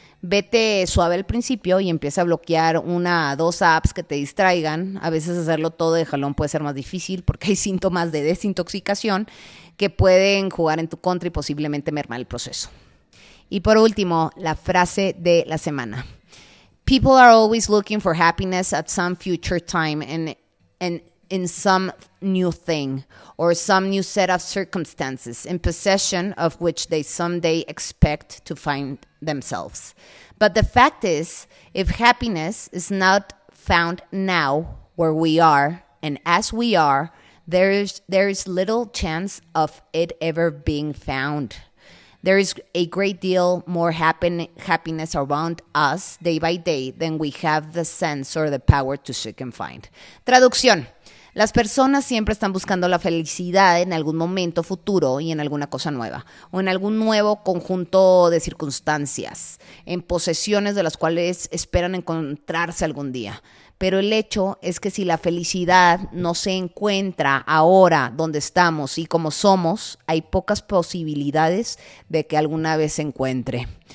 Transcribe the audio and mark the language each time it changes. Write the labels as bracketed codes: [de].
[es] Vete suave al principio y empieza a bloquear una o dos apps que te distraigan. A veces hacerlo todo de jalón puede ser más difícil porque hay síntomas de desintoxicación que pueden jugar en tu contra y posiblemente mermar el proceso. Y por último, la frase de la semana. [en] People are always looking for happiness at some future time and in some new thing or some new set of circumstances in possession of which they someday expect to find themselves. But the fact is, if happiness is not found now where we are and as we are, there is little chance of it ever being found. There is a great deal more happiness around us day by day than we have the sense or the power to seek and find. [es] Traducción. Las personas siempre están buscando la felicidad en algún momento futuro y en alguna cosa nueva, o en algún nuevo conjunto de circunstancias, en posesiones de las cuales esperan encontrarse algún día. Pero el hecho es que si la felicidad no se encuentra ahora donde estamos y como somos, hay pocas posibilidades de que alguna vez se encuentre.